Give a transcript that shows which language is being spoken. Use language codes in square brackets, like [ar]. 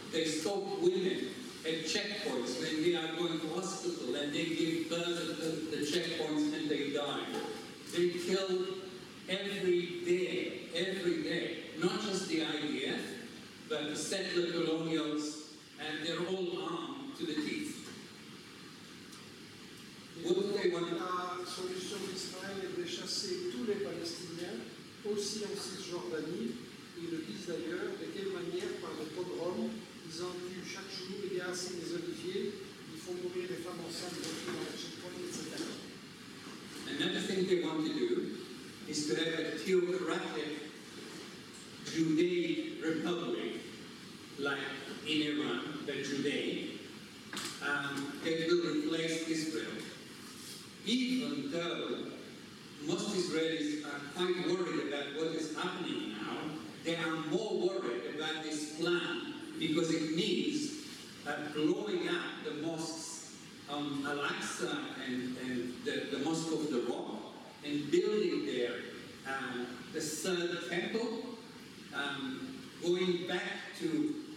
[en] They stop women at checkpoints when they are going to hospital and they give birth at the checkpoints and they die. They kill every day, not just the IDF, but the settler colonials, and they're all armed to the teeth. What do they want? [fr] La solution d'Israël est de chasser tous les Palestiniens, aussi en Cisjordanie. Ils le disent d'ailleurs, de quelle manière, par le pogrom, ils ont tué chaque jour, il y a assez des oliviers, ils font mourir les femmes enceintes, les filles dans les checkpoints, etc. [en] Another thing they want to do is to have a theocratic Judaic republic, like in Iran, the Judaic, that will replace Israel. Even though most Israelis are quite worried about what is happening now, they are more worried about this plan because it means blowing up the mosques on Al-Aqsa and the Mosque of the Rock and building there the third temple, going back to